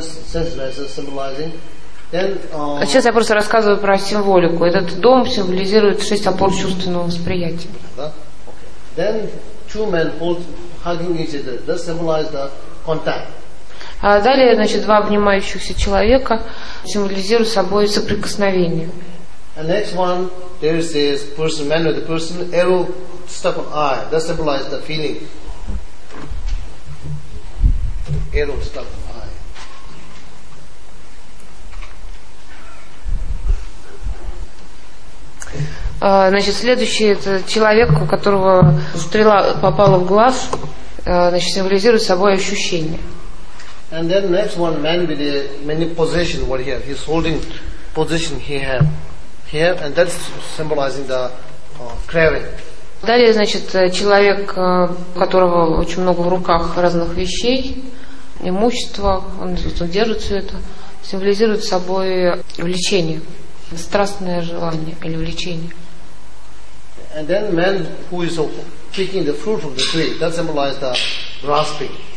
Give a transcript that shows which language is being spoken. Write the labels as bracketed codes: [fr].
[ru] Сейчас я просто рассказываю про символику. Этот дом символизирует шесть опор чувственного восприятия. [en] Then two men hugging each other. This symbolizes the contact. [ru] А далее, значит, два обнимающихся человека символизируют собой соприкосновение. [en] And next one, there is this person, man with the person, arrow stuck on eye. That symbolizes the feeling. Arrow stuck on eye. [ru] Значит, следующий – это человек, у которого стрела попала в глаз, значит, символизирует собой ощущение. [en] And then next one, man with many position, what he has, he's holding position he have here, and that's symbolizing the craving. [ru] Далее, значит, человек, у которого очень много в руках разных вещей, имущества, он держит все это, символизирует собой влечение, страстное желание или влечение. [en] And then man who is picking the fruit from the tree, that symbolizes the grasping.